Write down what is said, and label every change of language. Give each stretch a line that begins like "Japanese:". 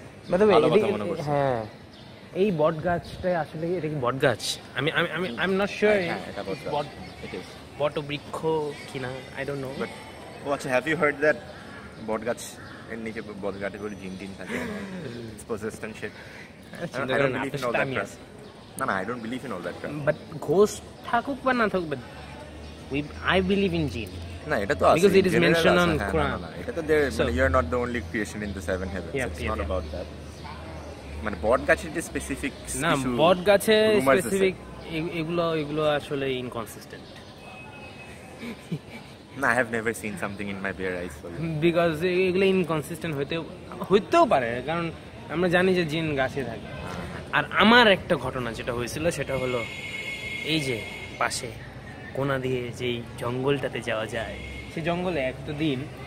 English: By the way,
Bangla: হ্যাঁ, এই বট গাছটাই আসলে, এটা কি বট গাছ?
English: I'm not sure. It is.
Bangla: বট বৃক্ষ কিনা,
English: I don't know. But what, have you heard that
Bangla: বট গাছ এর নিচে বট গাছে বলে জিন টিন থাকে?
English: It's persistent shit. I don't believe in all that crap. No, I don't believe in all that crap. But ghost
Bangla: থাকুক বা না থাকুক,
English: but I believe in jinn.
Bangla: না, এটা তো
English: আছে, because it is mentioned on Quran.
Bangla: এটা তো
English: there, so, you are not the only creation in the seven heavens. Yeah, it's yeah, not yeah.
Bangla: About that, মানে বট গাছের যে স্পেসিফিক না, বট গাছে স্পেসিফিক এগুলো আসলে inconsistent,
English: No, I have never seen something in my bare eyes.
Bangla: Because এগুলো inconsistent হইতেও পারে কারণ আমরা জানি যে জিন গাছে থাকে আর আমার একটা ঘটনা যেটা হয়েছিল সেটা হলো এই যে পাশে কোনা দিয়ে যেই জঙ্গলটাতে যাওয়া যায় সেই জঙ্গলে একদিন